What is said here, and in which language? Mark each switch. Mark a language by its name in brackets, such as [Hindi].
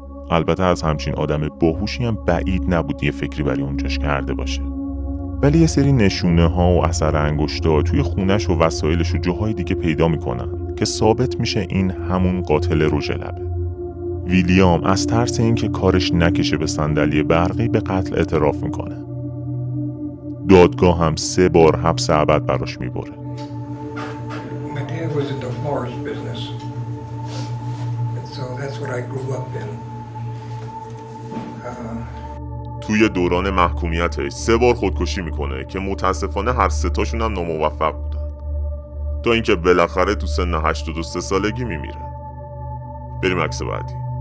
[Persian] البته از همچین آدم باهوشی هم بعید نبود یه فکری برای اونجاش کرده باشه، ولی یه سری نشونه ها و اثر انگشتا توی خونش و وسایلش و جاهای دیگه پیدا میکنن که ثابت میشه این همون قاتل روژه لبه. ویلیام از ترس اینکه کارش نکشه به صندلی برقی به قتل اعتراف میکنه. دادگاه هم 3 بار حبس ابد براش میبره. [English] My dad was in the forest business. And so that's what I grew up in. [Persian] توی دوران محکومیتش 3 بار خودکشی میکنه که متاسفانه هر 3 تاشون هم ناموفق بودن، تا اینکه بالاخره تو سن 83 سالگی میمیره. بریم عکس بعدی.